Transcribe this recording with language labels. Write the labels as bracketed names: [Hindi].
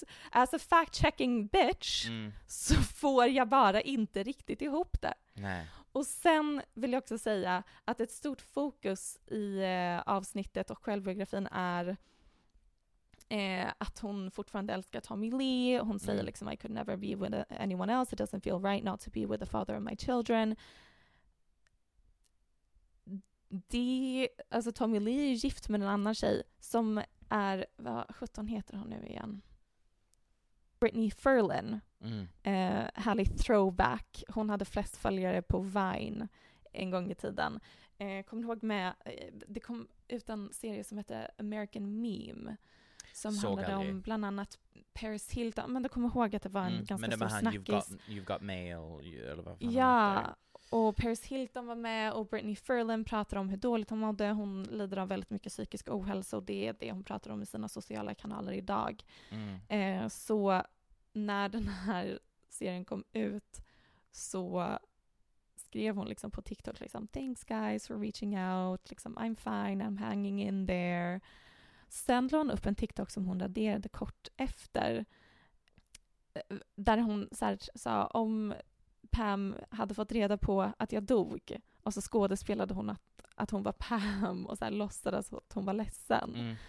[English] As a fact-checking bitch [Swedish] så får jag bara inte riktigt ihop det. Nej. Och sen vill jag också säga att ett stort fokus i avsnittet och självbiografin är att hon fortfarande älskar Tommy Lee. Hon säger liksom, [English] I could never be with anyone else. It doesn't feel right not to be with the father of my children. [Swedish] Alltså Tommy Lee är gift med en annan tjej som är, vad 17 heter hon nu igen? Brittany Ferlin. Härlig throwback. Hon hade flest följare på Vine en gång i tiden. Kommer du ihåg med, det kom ut en serie som heter American Meme. Som så handlade om bland annat Paris Hilton. Men du kommer ihåg att det var en ganska stor snackis. [English] You've got mail. [Swedish] Eller vad fan, ja. Och Paris Hilton var med och Brittany Ferlin pratar om hur dåligt hon mådde. Hon lider av väldigt mycket psykisk ohälsa och det är det hon pratar om i sina sociala kanaler idag. Så när den här serien kom ut så skrev hon liksom på TikTok liksom, [English] thanks guys for reaching out. Liksom, I'm fine, I'm hanging in there. [Swedish] Sen la hon upp en TikTok som hon raderade kort efter där hon så här, sa om Pam hade fått reda på att jag dog, och så skådespelade hon att hon var Pam och så här låtsades att hon var ledsen.